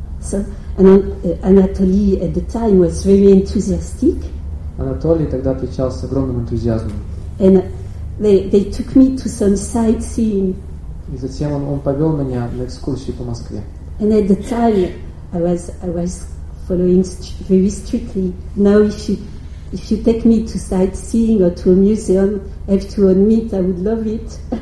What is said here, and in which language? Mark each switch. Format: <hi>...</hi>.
<en>So Anatoly at the time was very enthusiastic.</en> <ru>Анатолий тогда отличался огромным энтузиазмом.</ru> <en>And they took me to some sightseeing.</en> <ru>И затем он повел меня на экскурсию по Москве.</ru> <en>And at the time I was following very strictly. Now if you take me to sightseeing or to a museum, I have to admit I would love it.</en>